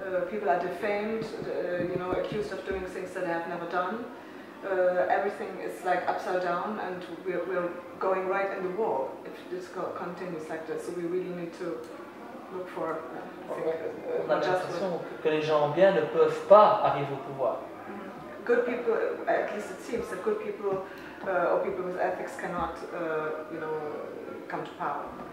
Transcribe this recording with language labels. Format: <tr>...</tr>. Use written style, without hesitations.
<en>People are defamed, accused of doing things that they have never done. Everything is like upside down, and we're going right in the war if this continues like this. So we really need to look for.</en> <fr>On a l'impression que les gens bien ne peuvent pas arriver au pouvoir.</fr> <en>good people, at least it seems that good people or people with ethics cannot, you know, come to power.</en>